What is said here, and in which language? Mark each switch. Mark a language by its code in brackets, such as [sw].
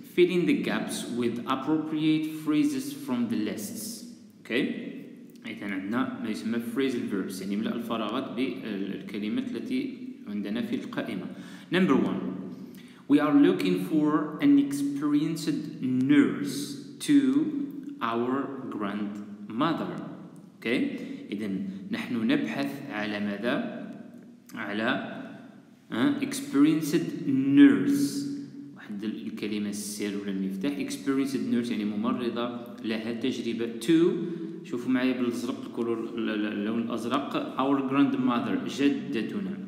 [en] Fill in the gaps with appropriate phrases from the lists. [ar] إذا عندنا ما يسمى phrasal verbs، يعني ملأ الفراغات بالكلمات التي عندنا في القائمة. [en] Number one. We are looking for an experienced nurse to our grandmother. [ar] إذن نحن نبحث على ماذا؟ على [en] experienced nurse، [ar] واحد الكلمة السر ولا المفتاح. [en] experienced nurse [ar] يعني ممرضة لها تجربة. to، شوفوا معي بالأزرق كولور اللون الأزرق، [en] our grandmother [ar] جدتنا.